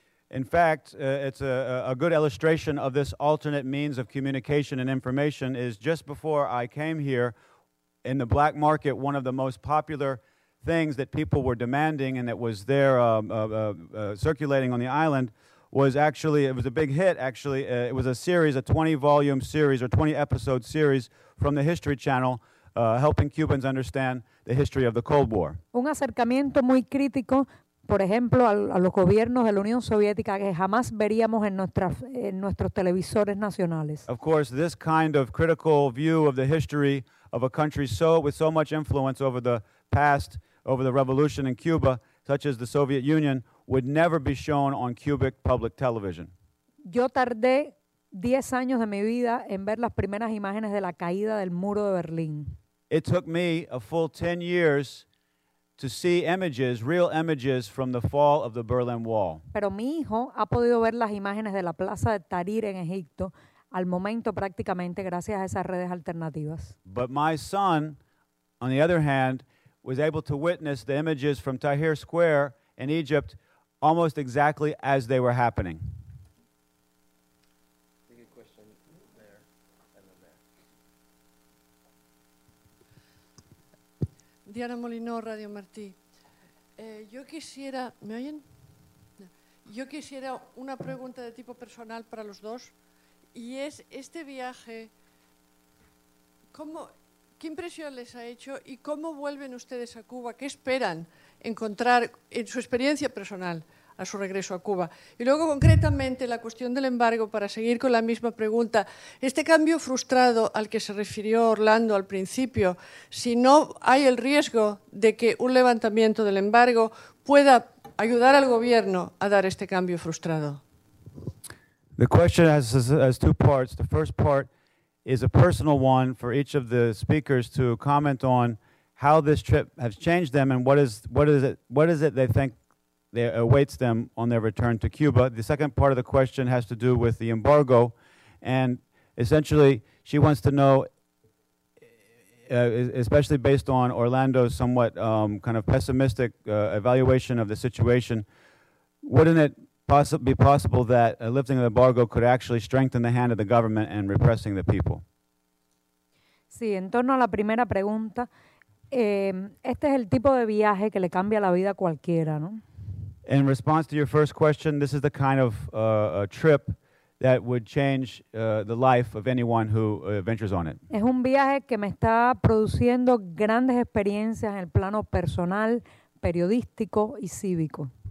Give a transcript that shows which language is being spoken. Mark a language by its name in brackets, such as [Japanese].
[English] In fact, it's a good illustration of this alternate means of communication and information is just before I came here, in the black market, one of the most popular things that people were demanding and that was there circulating on the island was actually, it was a big hit actually, it was a series, a 20-volume series or 20-episode series from the History Channel, helping Cubans understand the history of the Cold War. [Spanish] Un acercamiento muy crítico, por ejemplo, a los gobiernos de la Unión Soviética que jamás veríamos en nuestros televisores nacionales. [English] Of course, this kind of critical view of the history of a country with so much influence over the past, over the revolution in Cuba, such as the Soviet Union, would never be shown on Cubic public television. [Spanish] Yo tardé 10 años de mi vida en ver las primeras imágenes de la caída del muro de Berlín. [English] It took me a full 10 years to see images, real images, from the fall of the Berlin Wall. [Spanish] Pero mi hijo ha podido ver las imágenes de la Plaza de Tahrir en Egipto al momento prácticamente gracias a esas redes alternativas. [English] But my son, on the other hand, was able to witness the images from Tahrir Square in Egypt almost exactly as they were happening. Good question there and then there. [Spanish] Diana Molinor, Radio Martí. Yo quisiera, ¿me oyen? Yo quisiera una pregunta de tipo personal para los dos, y es este viaje, ¿cómo, qué impresión les ha hecho y cómo vuelven ustedes a Cuba? ¿Qué esperan encontrar en su experiencia personal a su regreso a Cuba? Y luego, concretamente, la cuestión del embargo, para seguir con la misma pregunta, este cambio frustrado al que se refirió Orlando al principio, si no hay el riesgo de que un levantamiento del embargo pueda ayudar al gobierno a dar este cambio frustrado. [English] The question has two parts. The first part is a personal one for each of the speakers to comment on how this trip has changed them and what is it they think that awaits them on their return to Cuba. The second part of the question has to do with the embargo, and essentially she wants to know, especially based on Orlando's somewhat kind of pessimistic evaluation of the situation, wouldn't it be possible that a lifting of the embargo could actually strengthen the hand of the government and repressing the people? [Spanish] Sí, en torno a la primera pregunta, este es el tipo de viaje que le cambia la vida a cualquiera, ¿no? [English] In response to your first question, this is the kind of a trip that would change the life of anyone who ventures on it. [Spanish] Es un viaje que me está produciendo grandes experiencias en el plano personal, periodístico y cívico.